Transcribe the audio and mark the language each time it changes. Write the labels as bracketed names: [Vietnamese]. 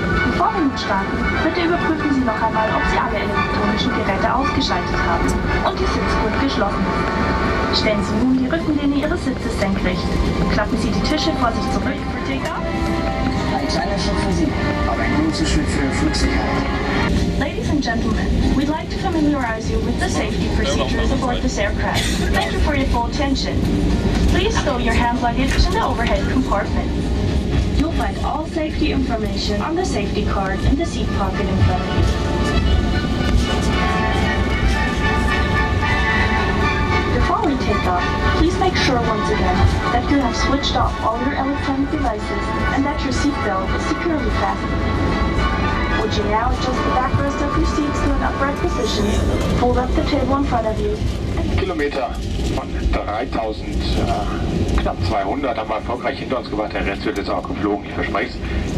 [German] Bevor wir nun starten, bitte überprüfen Sie noch einmal, ob Sie alle elektronischen Geräte ausgeschaltet haben und die Sitzgurt geschlossen ist. Stellen Sie nun die Rückenlehne Ihres Sitzes senkrecht. Klappen Sie die Tische vor sich zurück. Ein kleiner Schritt für Sie, aber ein großer Schritt für Ihre Flugsicherheit. [English] Ladies and gentlemen, we'd like to familiarize you with the safety procedures aboard this aircraft. Thank you for your full attention. Please stow your hand luggage in the overhead compartment. You'll find all safety information on the safety card in the seat pocket in front of you. Before we take off, please make sure once again that you have switched off all your electronic devices and that your seatbelt is securely fastened. Would you now adjust the backrest of your seats to an upright position, fold up the table in front of you, [German] Kilometer von 3000, knapp 200 haben wir erfolgreich hinter uns gebracht. Der Rest wird jetzt auch geflogen, ich verspreche es.